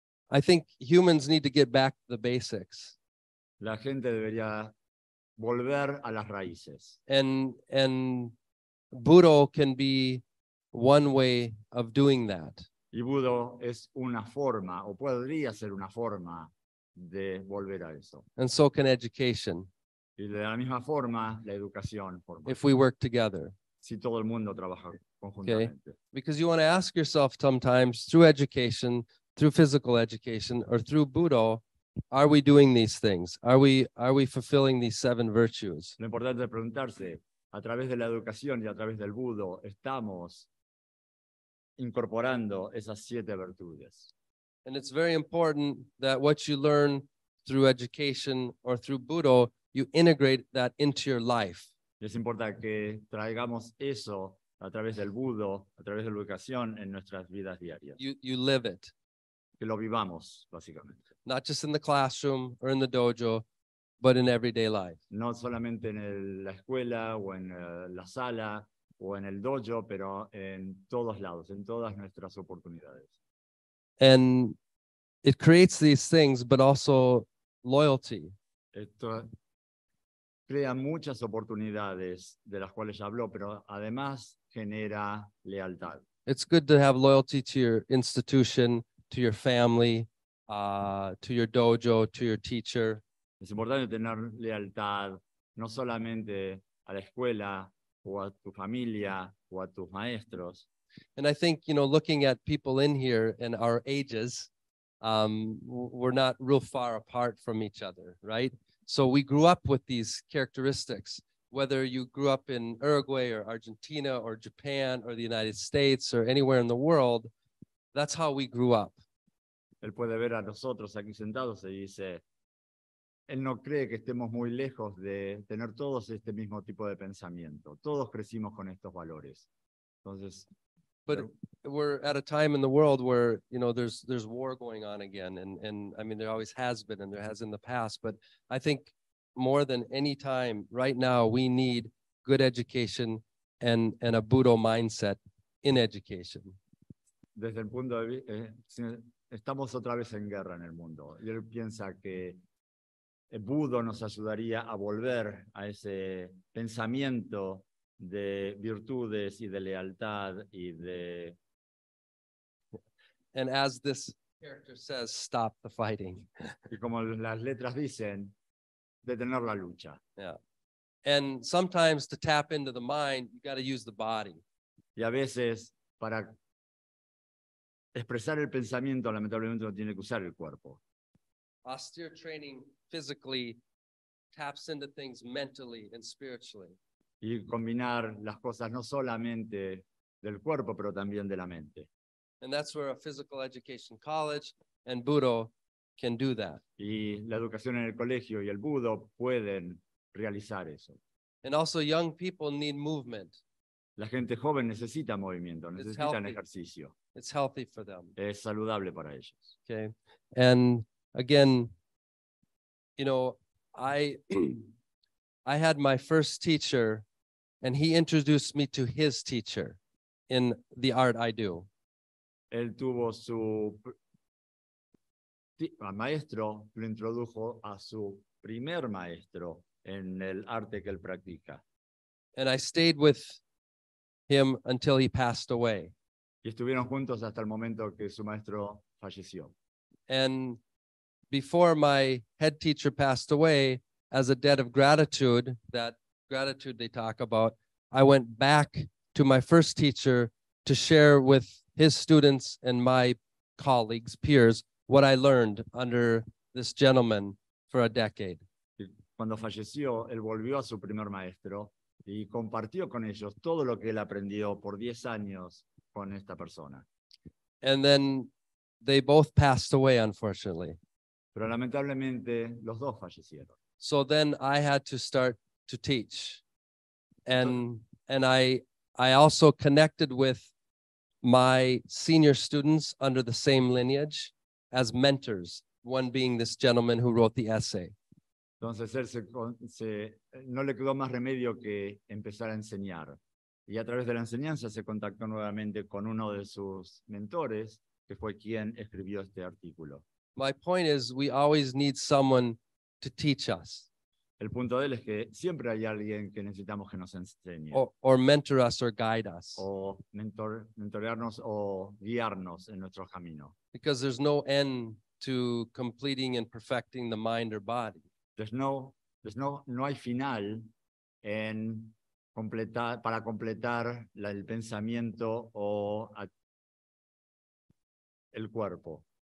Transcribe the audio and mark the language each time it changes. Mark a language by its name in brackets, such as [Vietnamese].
[English] I think humans need to get back to the basics. [Spanish] La gente debería volver a las raíces. [English] And Budo can be one way of doing that. [Spanish] Y Budo es una forma, o podría ser una forma de volver a eso. [English] And so can education. [Spanish] Y de la misma forma, la educación. [English] If we work together. [Spanish] Si todo el mundo trabaja conjuntamente. [English] Okay. Because you want to ask yourself sometimes through education, through physical education, or through Budo, are we doing these things? Are we fulfilling these seven virtues? [Spanish] Lo importante es preguntarse, a través de la educación y a través del Budo, ¿estamos incorporando esas siete virtudes? [English] And it's very important that what you learn through education or through Budo, you integrate that into your life. [Spanish] Es importante que traigamos eso a través del Budo, a través de la educación en nuestras vidas diarias. [English] You live it. [Spanish] Que lo vivamos, básicamente. [English] Not just in the classroom or in the dojo, but in everyday life. [Spanish] No solamente en la escuela o en la sala o en el dojo, pero en todos lados, en todas nuestras oportunidades. [English] And it creates these things, but also loyalty. [Spanish] Esto crea muchas oportunidades de las cuales ya habló, pero además genera lealtad. [English] It's good to have loyalty to your institution, to your family, to your dojo, to your teacher. [Spanish] Es importante tener lealtad no solamente a la escuela o a tu familia o a tus maestros. [English] And I think, you know, looking at people in here and our ages, we're not real far apart from each other, right? So we grew up with these characteristics, whether you grew up in Uruguay or Argentina or Japan or the United States or anywhere in the world, that's how we grew up. [Spanish] Él puede ver a nosotros aquí sentados y dice, él no cree que estemos muy lejos de tener todos este mismo tipo de pensamiento. Todos crecimos con estos valores. Entonces, [English] but we're at a time in the world where, you know, there's war going on again. And I mean, there always has been and there has in the past. But I think more than any time right now, we need good education and a Budo mindset in education. [Spanish] Desde el punto de vista, estamos otra vez en guerra en el mundo. Y él piensa que el Budo nos ayudaría a volver a ese pensamiento de virtudes y de lealtad y de... [English] And as this character says, stop the fighting. [Spanish] Y como las letras dicen, detener la lucha. [English] Yeah. And sometimes to tap into the mind, you got to use the body. [Spanish] Y a veces, para expresar el pensamiento, lamentablemente uno tiene que usar el cuerpo. [English] Austere training physically taps into things mentally and spiritually. [Spanish] Y combinar las cosas no solamente del cuerpo, pero también de la mente. [English] And that's where a physical education college and Budo can do that. [Spanish] Y la educación en el colegio y el Budo pueden realizar eso. [English] And also young people need movement. [Spanish] La gente joven necesita movimiento, necesitan ejercicio. [English] It's healthy for them. [Spanish] Es saludable para ellos. [English] Okay. And again, you know, I had my first teacher, and he introduced me to his teacher in the art I do. [Spanish] Él tuvo su maestro, lo introdujo a su primer maestro en el arte que él practica. [English] And I stayed with him until he passed away. [Spanish] Y estuvieron juntos hasta el momento que su maestro falleció. [English] And before my head teacher passed away, as a debt of gratitude, that gratitude they talk about, I went back to my first teacher to share with his students and my colleagues, peers, what I learned under this gentleman for a decade. [Spanish] Cuando falleció, él volvió a su primer maestro y compartió con ellos todo lo que él aprendió por 10 años con esta persona. [English] And then they both passed away, unfortunately. [Spanish] Pero lamentablemente, los dos fallecieron. [English] So then I had to start to teach. And I also connected with my senior students under the same lineage as mentors, one being this gentleman who wrote the essay. [Spanish] Entonces él se no le quedó más remedio que empezar a enseñar. Y a través de la enseñanza se contactó nuevamente con uno de sus mentores, que fue quien escribió este artículo. [English] My point is, we always need someone to teach us. [Spanish] El punto de él es que siempre hay alguien que necesitamos que nos enseñe. [English] Or mentor us or guide us. [Spanish] O mentorearnos o guiarnos en nuestro camino. [English] Because there's no end to completing and perfecting the mind or body. [Spanish] No hay final en completar, para completar la, el pensamiento o a, el cuerpo.